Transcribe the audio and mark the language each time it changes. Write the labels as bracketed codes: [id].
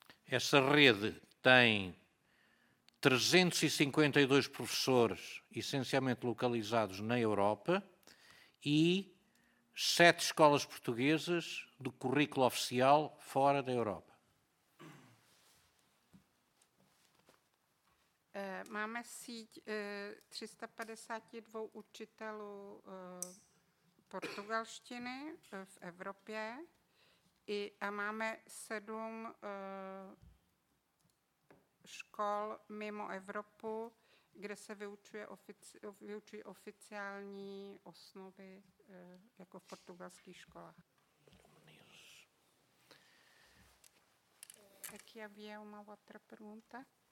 [pt] Essa rede tem 352 professores, essencialmente localizados na Europa, e 7 escolas portuguesas de currículo oficial fora da Europa. [cs] Máme síť 352 učitelů portugalštiny v Evropě a máme 7 škol mimo Evropu, kde se vyučují oficiální osnovy jako v portugalských školách. [pt] Aqui havia uma outra pergunta.